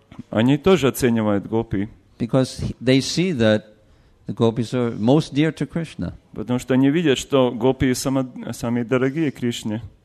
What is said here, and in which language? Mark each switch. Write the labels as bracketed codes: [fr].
[ru] Они тоже оценивают гопи. [en] Because they see that the gopis are most dear to Krishna. [ru] Потому что они видят, что гопи самые дорогие Кришне.